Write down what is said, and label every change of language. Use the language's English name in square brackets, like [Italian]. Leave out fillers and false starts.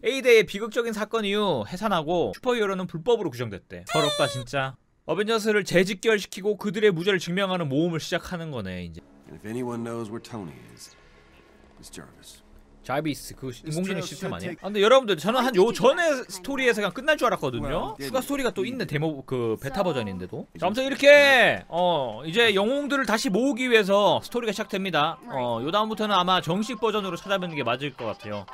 [Korean] A대의 비극적인 사건 이후 해산하고 슈퍼히어로는 불법으로 규정됐대. 더럽다 진짜. 어벤져스를 재직결시키고 그들의 무죄를 증명하는 모험을 시작하는 거네 이제. [English] If anyone knows where Tony is, it's Jarvis. [Korean] 자비스 그 인공지능 시스템 아니야? 아, 근데 여러분들 저는 한 요 전에 스토리에서 그냥 끝날 줄 알았거든요. 추가 스토리가 또 있네. 데모 그 베타 버전인데도. 자, 아무튼 이렇게 어 이제 영웅들을 다시 모으기 위해서 스토리가 시작됩니다. 어 요 다음부터는 아마 정식 버전으로 찾아뵙는 게 맞을 것 같아요.